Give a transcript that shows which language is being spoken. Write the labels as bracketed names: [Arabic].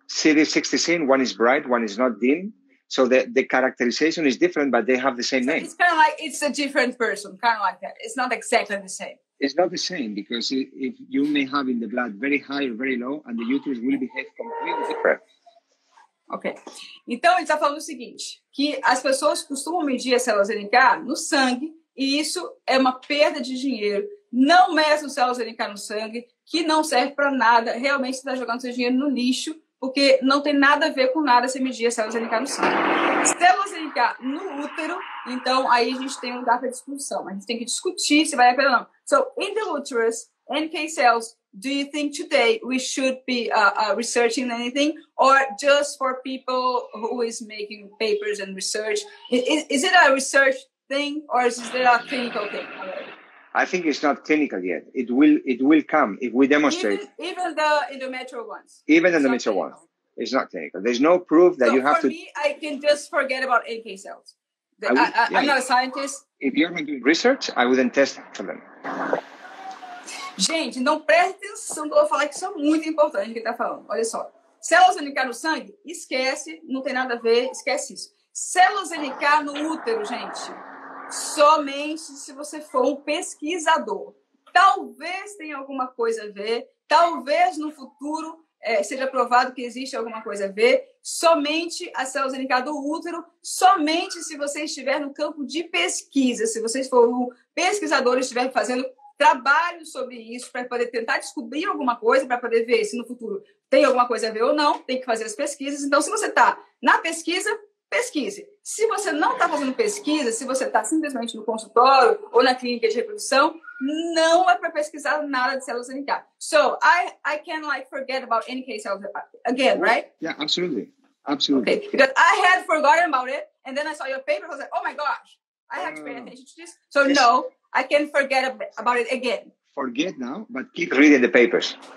[English] CD16, one is bright, one is not dim. So the characterization is different, but they have the same name. It's kind of like it's a different person, kind of like that. It's not exactly the same. It's not the same, because if you may have in the blood very high or very low, and the uterus will behave completely different. Ok. [Portuguese] Então, ele está falando o seguinte, que as pessoas costumam medir as células NK no sangue e isso é uma perda de dinheiro. Não meçam células NK no sangue, que não serve para nada. Realmente, você está jogando seu dinheiro no lixo, porque não tem nada a ver com nada se medir as células NK no sangue. Células NK no útero, então, aí a gente tem um lugar para discussão. A gente tem que discutir se vale a pena ou não. [English] So, in the uterus, NK cells, do you think today we should be researching anything, or just for people who is making papers and research? Is it a research thing, or is it a clinical thing? I think it's not clinical yet. It will come if we demonstrate. Even the endometrial ones. Even the endometrial ones. It's not clinical. There's no proof that so you have for to. For me, I can just forget about NK cells. I'm not a scientist. If you're not doing research, I wouldn't test for them. [Portuguese] Gente, não prestem atenção que eu vou falar que isso é muito importante que ele está falando. Olha só. Células NK no sangue? Esquece. Não tem nada a ver. Esquece isso. Células NK no útero, gente. Somente se você for um pesquisador. Talvez tenha alguma coisa a ver. Talvez no futuro seja provado que existe alguma coisa a ver. Somente as células NK do útero. Somente se você estiver no campo de pesquisa. Se você for um pesquisador e estiver fazendo trabalho sobre isso para poder tentar descobrir alguma coisa, para poder ver se no futuro tem alguma coisa a ver ou não, tem que fazer as pesquisas. Então, se você está na pesquisa, pesquise. Se você não está fazendo pesquisa, se você está simplesmente no consultório ou na clínica de reprodução, não é para pesquisar nada de células NK. [English] So, I can like forget about NK cells again, right? Yeah, absolutely. Absolutely. Okay. Because I had forgotten about it, and then I saw your paper, I was like, oh my gosh, I have to pay attention to this. So, yes. No. I can forget about it again. Forget now, but keep reading the papers.